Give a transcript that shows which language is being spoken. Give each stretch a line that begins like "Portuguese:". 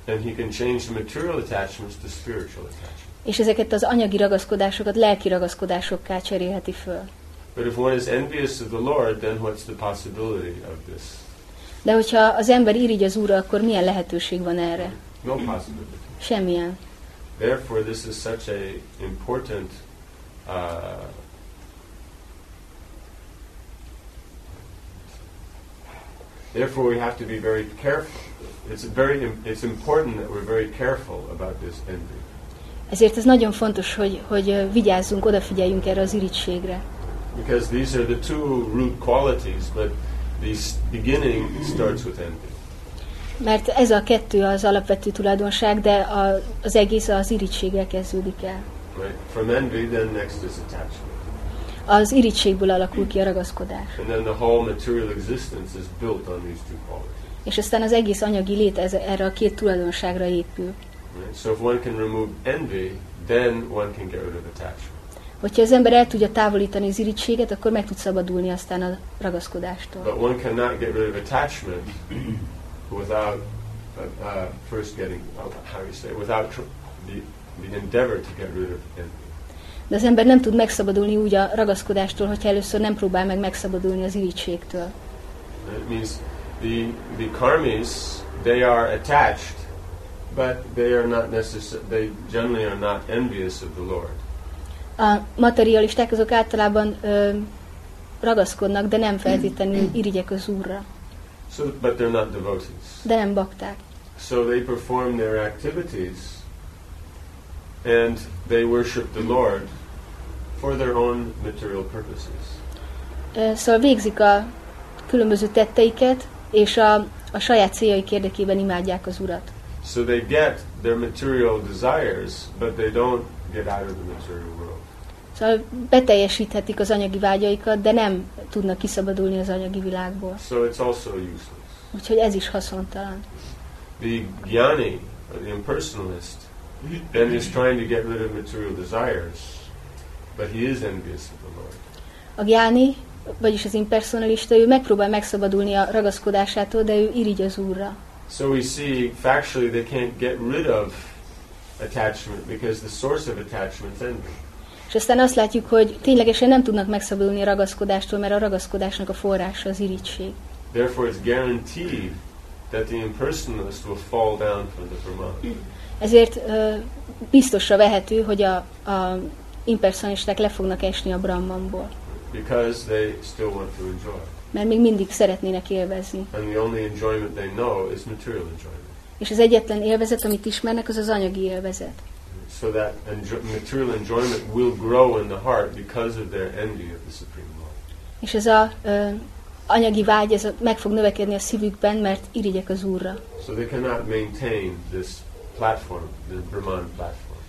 English: And he can change the material attachments to spiritual attachments.
Hungarian: És ezeket az anyagi ragaszkodásokat lelki ragaszkodásokká cserélheti föl.
English: But if one is envious of the Lord, then what's the possibility of this?
Hungarian: De hogyha az ember irigy az Úrra, akkor milyen lehetőség van erre?
English: No possibility.
Hungarian: Semmilyen.
English: Therefore, this is such a important therefore we have to be very careful. It's important that we're very careful about this envy.
Hungarian: Ezért ez nagyon fontos, hogy vigyázzunk, odafigyeljünk erre az irigységre.
English: Because these are the two root qualities, but the beginning starts with envy.
Hungarian: Mert ez a kettő az alapvető tulajdonság, de az egész az irigységgel kezdődik el.
English: Right. From envy, then next is attachment.
Hungarian: Az irigységből alakul ki a ragaszkodás.
English: And then the whole material existence is built on these two qualities.
Hungarian: És aztán az egész anyagi lét erre a két tulajdonságra épül.
English: Right. So if one can remove envy, then one can get rid of attachment.
Hungarian: Hogyha az ember el tudja távolítani az irigységet, akkor meg tud szabadulni aztán a ragaszkodástól.
English: But one cannot get rid of attachment. Without first getting, how you say, without the endeavor to get rid of envy.
Hungarian: De az ember nem tud megszabadulni úgy a ragaszkodástól, hogyha először nem próbál meg megszabadulni az irigységtől.
English: It means the karmis, they are attached, but they are not necessarily, they generally are not envious of the Lord.
Hungarian: A materialisták azok általában ragaszkodnak, de nem feltétlenül irigyek az Úrra.
English: So, but they're not devotees.
Hungarian: De nem bakták.
English: So they perform their activities and they worship the Lord for their own material purposes.
Hungarian: Szóval végzik a különböző tetteiket és a saját céljaik érdekében imádják az Urat.
English: So they get their material desires, but they don't get out of the material world.
Hungarian: Szóval beteljesíthetik az anyagi vágyaikat, de nem tudnak kiszabadulni az anyagi világból.
English: So it's also useless.
Hungarian: Úgyhogy ez is haszontalan.
English: The jnani, the impersonalist, then is trying to get rid of material desires, but he is envious of the Lord.
Hungarian: A jnani, vagyis az impersonalista, ő megpróbál megszabadulni a ragaszkodásától, de ő irigy az Úrra.
English: So we see, factually, they can't get rid of attachment, because the source of attachment is envy.
Hungarian: És aztán azt látjuk, hogy ténylegesen nem tudnak megszabadulni a ragaszkodástól, mert a ragaszkodásnak a forrása az irigység.
English: Therefore it's guaranteed that the impersonalist will fall down from the Brahman.
Hungarian: Ezért biztosra vehető, hogy a impersonalisták le fognak esni a Brahmanból.
English: Because they still want to enjoy.
Hungarian: Mert még mindig szeretnének élvezni.
English: And the only enjoyment they know is material enjoyment.
Hungarian: És az egyetlen élvezet, amit ismernek, az az anyagi élvezet.
English: So that material enjoyment will grow in the heart because of their envy of the Supreme Lord.
Hungarian: És ez a anyagi vágy, ez meg fog növekedni a szívükben, mert irigyek az Úrra.
English: So they cannot maintain this platform, the Brahman platform.